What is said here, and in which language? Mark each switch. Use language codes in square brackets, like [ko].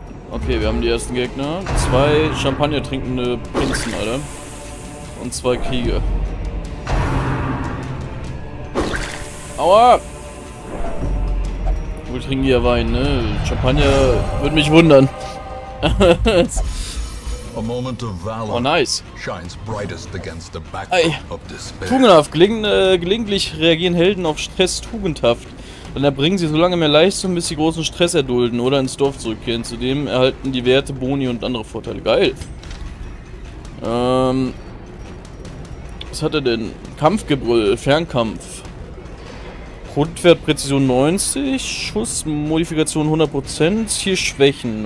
[de] Okay, wir haben die ersten Gegner. Zwei Champagner trinkende Prinzen, Alter. Und zwei Krieger. Aua! Wohl trinken die ja Wein, ne? Champagner würde mich wundern. [en] A moment of valor. Oh, nice. Shines brightest against the backdrop of despair. [de] Tugendhaft. Gelegentlich reagieren Helden auf Stress tugendhaft. Dann erbringen sie so lange mehr Leistung, bis sie großen Stress erdulden oder ins Dorf zurückkehren. Zudem erhalten die Werte Boni und andere Vorteile. Geil. Was hat er denn? Kampfgebrüll, Fernkampf. Grundwert Präzision 90, Schussmodifikation 100%, hier Schwächen.